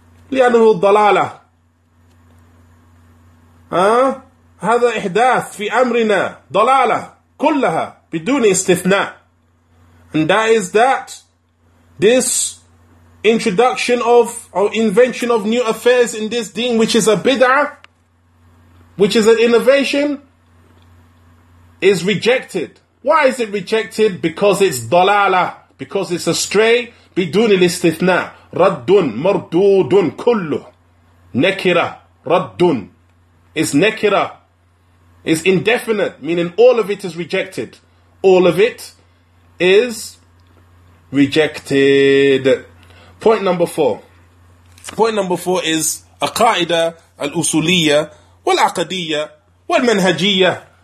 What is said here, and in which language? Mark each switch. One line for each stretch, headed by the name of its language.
Arabic: لأنه الضلالة. هذا إحداث في أمرنا ضلالة كلها بدون استثناء.
English: And that is that. This introduction of or invention of new affairs in this deen, which is a bid'ah, which is an innovation, is rejected. Why is it rejected? Because it's dalala, because it's astray.
Arabic: بدون الاستثناء رد مردود كله نكرة رد.
English: It's nekira. It's indefinite, meaning all of it is rejected. All of it is rejected. Point number four is
Arabic: aqaida al-usuliyya wal-aqadiyya wal-manhajiyya.